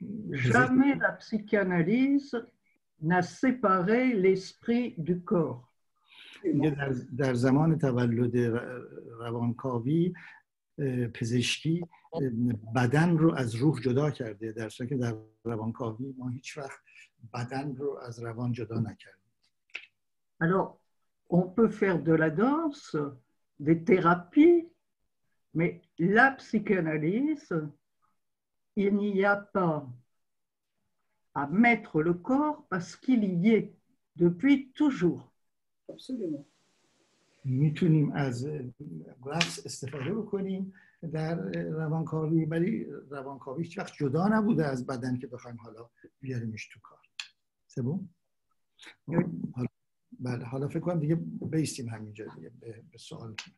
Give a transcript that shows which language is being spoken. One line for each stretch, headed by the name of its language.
French: Jamais la psychanalyse n'a séparé l'esprit du corps.
Persian: در زمان تولد روانکاوی پزشکی بدن رو از روح جدا کرده در حالی که در روانکاوی ما هیچ وقت بدن رو از روان جدا نکردیم.
French: Alors, on peut faire de la danse, des thérapies, mais la psychanalyse, il n'y a pas à mettre le corps parce qu'il y est depuis toujours.
Persian: میتونیم از رقص استفاده بکنیم در روانکاوی ولی روانکاوی هیچ وقت جدا نبوده از بدن که بخوایم حالا بیاریمش تو کار سبون بله حالا فکر کنم دیگه بیستیم همینجا دیگه به سوال